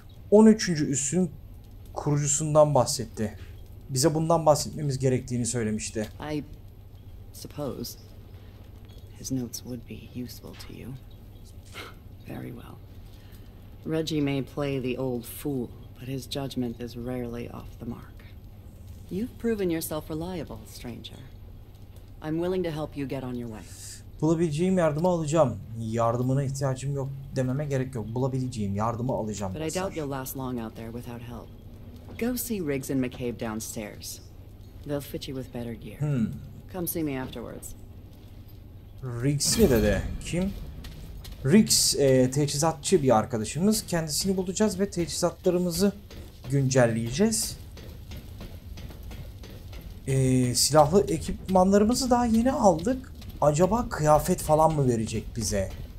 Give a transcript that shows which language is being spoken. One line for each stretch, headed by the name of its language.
Turkish: 13. üssün kurucusundan bahsetti. Bize bundan bahsetmemiz gerektiğini söylemişti.
English: I suppose his notes would be useful to you. Very well. Reggie may play the old fool, but his judgment is rarely off the mark. You've proven yourself reliable, stranger. I'm willing to help you get on your way.
Turkish: Bulabileceğim yardımı alacağım. Yardımına ihtiyacım yok dememe gerek yok. Bulabileceğim yardımı alacağım.
English: But I doubt you'll last long out there without help. Go see Riggs and McCabe downstairs. They'll fit you with better gear. Come see me afterwards.
Turkish: Riggs mi dedi? Kim? Riggs teçhizatçı bir arkadaşımız. Kendisini bulacağız ve teçhizatlarımızı güncelleyeceğiz. Silahlı ekipmanlarımızı daha yeni aldık. Acaba kıyafet falan mı verecek bize?